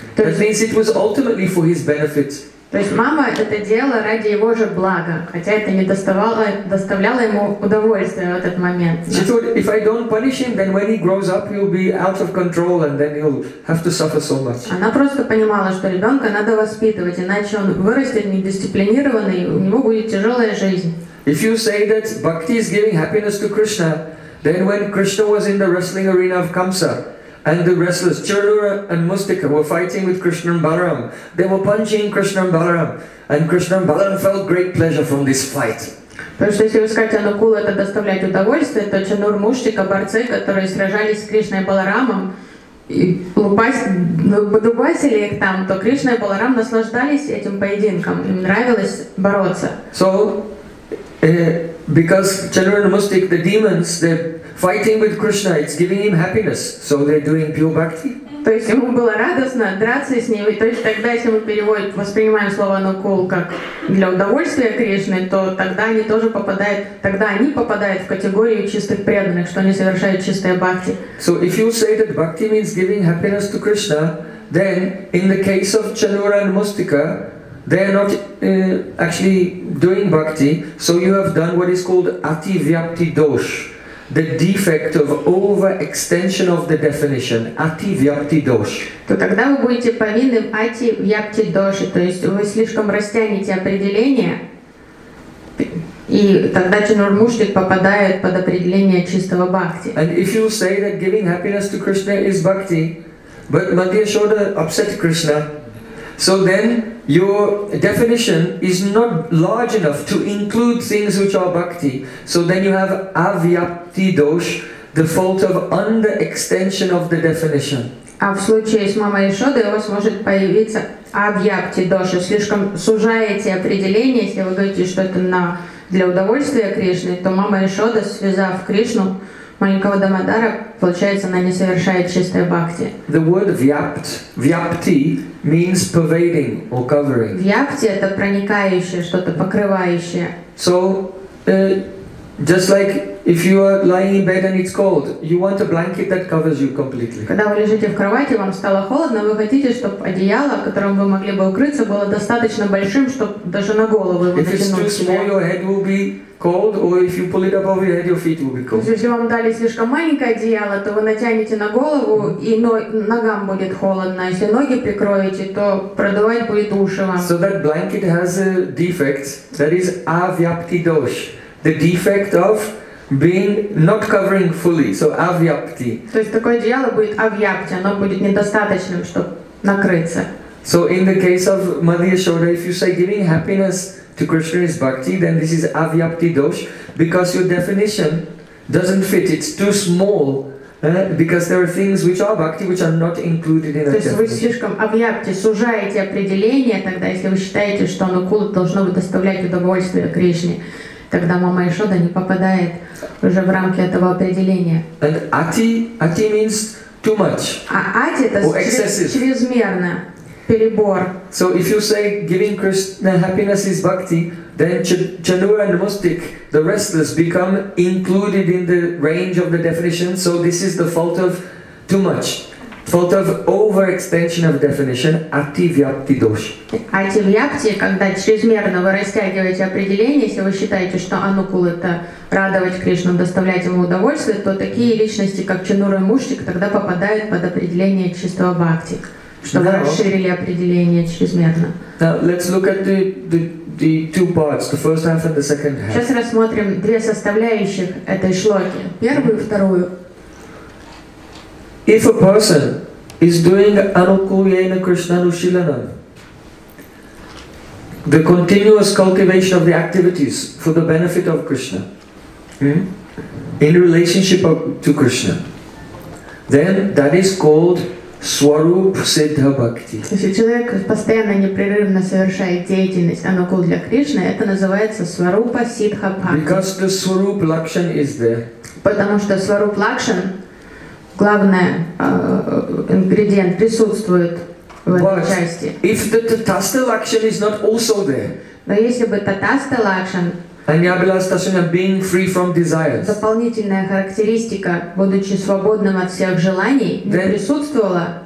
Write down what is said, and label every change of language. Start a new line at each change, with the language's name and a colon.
English: That means it was ultimately for his benefit.
Russian: То есть мама это делала ради его же блага, хотя это не доставляло ему удовольствия в этот момент.
English: She thought, if I don't punish him, then when he grows up, he'll be out of control, and then he'll have to suffer so much.
Russian: Она просто понимала, что ребенка надо воспитывать, иначе он вырастет недисциплинированный, и у него будет тяжелая жизнь.
English: If you say that bhakti is giving happiness to Krishna, then when Krishna was in the wrestling arena of Kamsa, and the wrestlers Charura and Mustika were fighting with Krishna and Balaram. They were punching Krishna and Balaram, and Krishna and Balaram felt great pleasure from this fight.
Russian: Потому что если вы скажете, Анукула — это доставлять удовольствие, то Чанур Муштика — борцы, которые сражались с Кришной Баларамом и подубасили их там, то Кришна и Баларам наслаждались этим поединком, им нравилось бороться.
English: So, because Chanur and Mustik, the demons, they're fighting with Krishna, it's giving him happiness, so they're doing pure bhakti.
Russian: То есть ему было радостно драться с ними. То есть тогда, если мы переводим, воспринимаем слово «нукул» как для удовольствия Кришны, то тогда они тоже попадают, тогда они попадают в категорию чистых преданных, что они совершают чистое бхакти.
English: So if you say that bhakti means giving happiness to Krishna, then in the case of Chanura and Mustika, they are not actually doing bhakti, so you have done what is called ativyapti dosh. The defect of overextension of the definition, ati vyapti dosh.
Russian: То тогда вы будете повинны в ати вьяпти доши, то есть вы слишком растянете определение, и тогда Чанур Муштик попадает под определение чистого бхакти.
English: And if you say that giving happiness to Krishna is bhakti, but Madhya Yashoda upset Krishna, so then your definition is not large enough to include things which are bhakti. So then you have avyapti dosh, the fault of underextension of the definition.
Russian: А в случае с мамой Ишодой у вас может появиться avyapti dosh. Слишком сужаете определение, если вы говорите, что это на для удовольствия Кришны, то мама Ишода, связав Кришну маленького Дамодара, получается, она не совершает чистой бхакти.
English: The word vyapti means pervading or covering.
Russian: Vyapti — это проникающее, что-то покрывающее.
English: So, just like if you are lying in bed and it's cold, you want a blanket that covers you completely.
Russian: Когда вы лежите в кровати, вам стало холодно, вы хотите, чтобы одеяло, которым вы могли бы укрыться, было достаточно большим, чтобы даже на голову его натянуть.
English: If it's too small, your head will be cold, or if you pull it above your head, your feet will be cold.
Russian: Если вам дали слишком маленькое одеяло, то вы натянете на голову, и ногам будет холодно. Если ноги прикроете, то продувать будет уши вам.
English: So that blanket has a defect, that is avyapti dosh. The defect of being not covering fully, so avyapti.
Russian: То есть такое одеяло будет avyapti, оно будет недостаточным, чтобы накрыться.
English: So in the case of Madhya Yashoda, if you say giving happiness to Krishna is bhakti, then this is avyapti dosh, because your definition doesn't fit, it's too small, because there are things which are bhakti, which are not included in that definition.
Russian: То есть вы слишком avyapti, сужаете определение тогда, если вы считаете, что анукула должно доставлять удовольствие Кришне. Тогда мама Ишода не попадает уже в рамки этого определения.
English: And ati means too much.
Russian: А ати — это чрезмерно, перебор.
English: So if you say giving Krishna happiness is bhakti, then Chanur and Mustik, the restless, become included in the range of the definition. So this is the fault of too much. Fault of overextension of definition, ativyapti dosh.
Russian: Ativyapti — когда чрезмерно вы растягиваете определение, если вы считаете, что анукул — это радовать Кришну, доставлять ему удовольствие, то такие личности, как Чанура и Муштик, тогда попадают под определение чистого бхакти, что вы расширили определение чрезмерно.
English: Now let's look at the two parts, the first half and the second half.
Russian: Сейчас рассмотрим две составляющих этой шлоки, первую и вторую.
English: If a person is doing anukulyena krishnanushilanam, the continuous cultivation of the activities for the benefit of Krishna, in relationship to Krishna, then that is called swarup siddha bhakti.
Russian: Если человек постоянно непрерывно совершает деятельность анукул для Кришны, это называется swarupa siddha bhakti.
English: Because the swarup lakshan is there.
Russian: Потому что swarup lakshan — главное, ингредиент присутствует в этой части.
English: If the tatastha lakshan is not also there,
Russian: но если бы tatastha lakshan,
English: anyabhilashatashunya, being free from desires,
Russian: дополнительная характеристика, будучи свободным от всех желаний, не присутствовала,